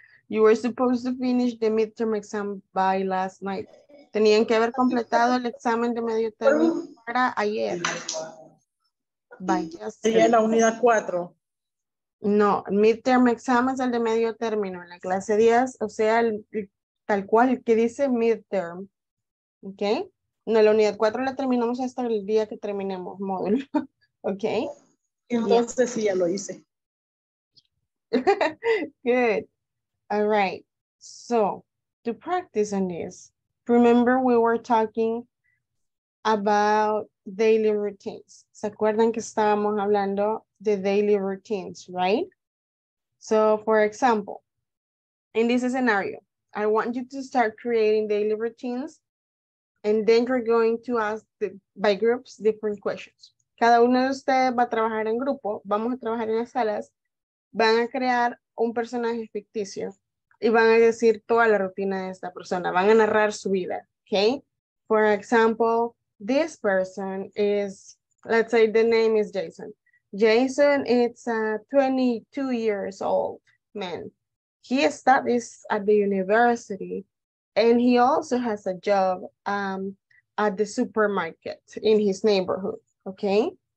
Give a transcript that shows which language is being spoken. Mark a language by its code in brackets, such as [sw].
[en] You were supposed to finish the midterm exam by last night. [es] Tenían que haber completado el examen de medio término para ayer. [en] By yesterday. [es] ¿Sería la unidad 4? No, midterm exam es el de medio término, en la clase 10, o sea, el tal cual que dice midterm. Ok, no, la unidad 4 la terminamos hasta el día que terminemos módulo. Ok, entonces yeah. Sí, ya lo hice. [en] Good, all right. So, to practice on this, remember we were talking about daily routines. [es] ¿Se acuerdan que estábamos hablando de daily routines, [en] right? So, for example, in this scenario, I want you to start creating daily routines. And then we're going to ask by groups different questions. [es] Cada uno de ustedes va a trabajar en grupo. Vamos a trabajar en las salas. Van a crear un personaje ficticio. Y van a decir toda la rutina de esta persona. Van a narrar su vida. Okay? [en] For example, this person is, let's say the name is Jason. Jason is a 22 years old man. He studies at the university. And he also has a job at the supermarket in his neighborhood, okay?